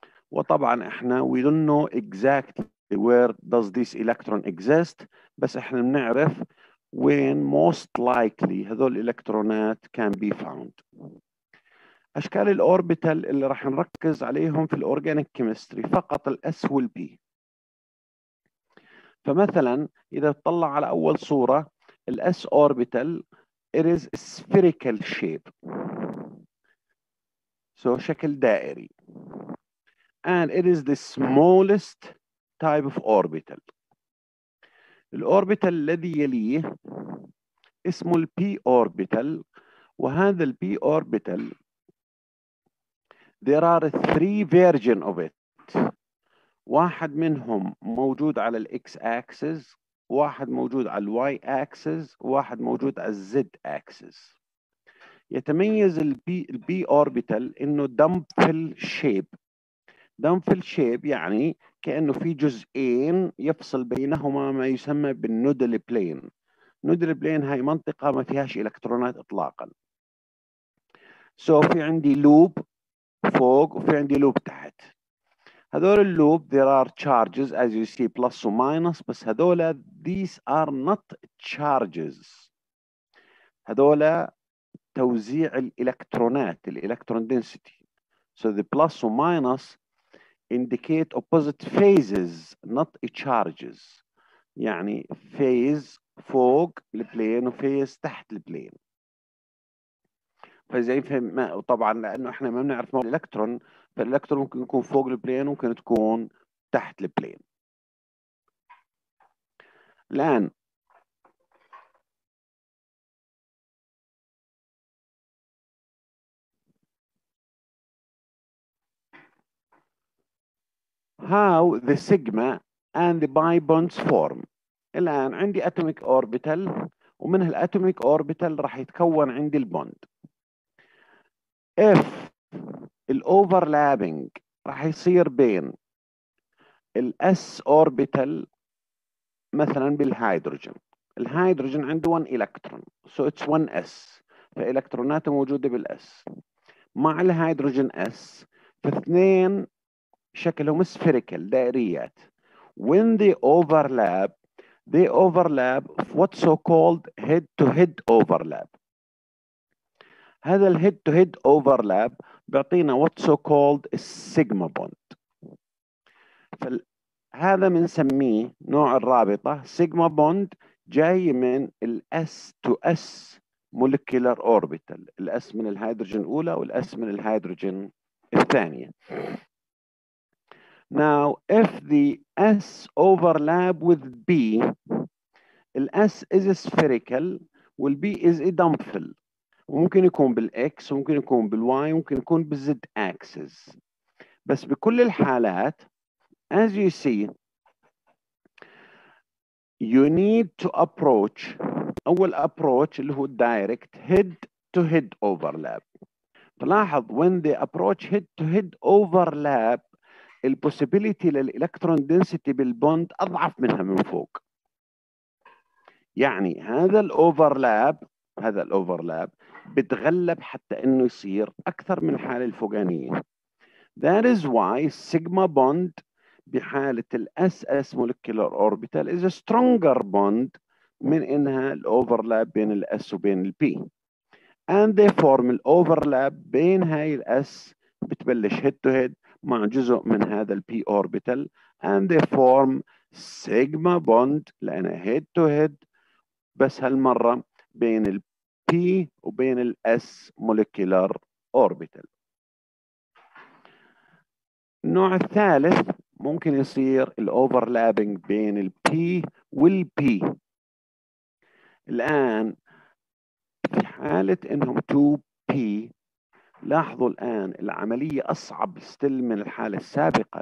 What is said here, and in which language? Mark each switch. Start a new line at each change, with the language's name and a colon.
Arabic: وطبعا احنا
English: we don't know exactly where does this electron exist،
Arabic: بس احنا بنعرف وين
English: most likely
Arabic: هذول الإلكترونات
English: can be found.
Arabic: أشكال الأوربيتال اللي راح نركز عليهم في الأورجانيك كيمستري فقط الأس والبي. فمثلاً إذا تطلع على أول صورة الـ
English: S orbital it is spherical shape.
Arabic: So شكل دائري.
English: And it is the smallest type of orbital.
Arabic: الـ orbital الذي يليه اسمه الـ P orbital. وهذا الـ
English: P orbital there are three versions of it.
Arabic: واحد منهم موجود على الـ X axis، واحد موجود على الـ Y axis، واحد موجود على الـ Z axis. يتميز الـ B orbital إنه dumbbell shape. dumbbell shape يعني كأنه في جزئين يفصل بينهما ما يسمى بالنودل بلين. نودل بلين هاي منطقة ما فيهاش إلكترونات إطلاقا. So في عندي لوب فوق وفي عندي لوب تحت. هذول اللوب
English: there are charges as you see plus و minus،
Arabic: بس هذول
English: these are not charges،
Arabic: هذول توزيع الإلكترونات الإلكترون
English: density. So the plus و minus indicate opposite phases not charges، يعني phase
Arabic: فوق البلين وفيز تحت البلين. فإذا يفهم طبعا لأنه إحنا ما بنعرف موضوع الإلكترون، فالإلكترون ممكن يكون فوق البلين وممكن تكون تحت البلين. الآن
English: how the sigma and the pi bonds form.
Arabic: الآن عندي atomic orbital ومن هالatomic orbital راح يتكون عندي البوند.
English: If the overlapping
Arabic: راح يصير بين the s orbital مثلا بالهيدروجين، الهيدروجين عنده
English: 1 electron so it's 1s،
Arabic: فإلكتروناته موجودة بالs مع الهيدروجين s، فاثنين شكلهم spherical دائريات.
English: When they overlap they overlap what so called head to head overlap.
Arabic: هذا ال
English: head to head overlap
Arabic: بيعطينا
English: what so called sigma bond.
Arabic: فهذا بنسميه نوع الرابطة sigma bond جاي من ال s to s molecular orbital، ال s من الهيدروجين الأولى وال s من الهيدروجين الثانية.
English: Now if the s overlap with b، ال s is spherical وال b is a dumbbell، ممكن يكون بال x ممكن يكون بال y ممكن يكون بال z axis،
Arabic: بس بكل الحالات
English: as you see you need to approach، اول approach
Arabic: اللي هو
English: direct head to head overlap.
Arabic: تلاحظ
English: when they approach head to head overlap ال possibility للإلكترون density
Arabic: بالبوند أضعف منها من فوق. يعني هذا الأوفرلاب، هذا الأوفرلاب بتغلب حتى إنه يصير أكثر من الحالة الفوقانية.
English: That is why sigma bond بحالة ال SS molecular orbital is a stronger bond
Arabic: من إنها الأوفرلاب بين ال S وبين ال P.
English: And they form the overlap
Arabic: بين هاي ال S بتبلش
English: head to head
Arabic: مع جزء من هذا ال
English: p orbital and they form sigma bond لأنه head to head،
Arabic: بس هالمرة بين ال p وبين ال s
English: molecular orbital.
Arabic: النوع الثالث ممكن يصير ال overlapping بين ال p وال p. الآن في حالة إنهم 2p، لاحظوا الآن العملية أصعب ستيل من الحالة السابقة.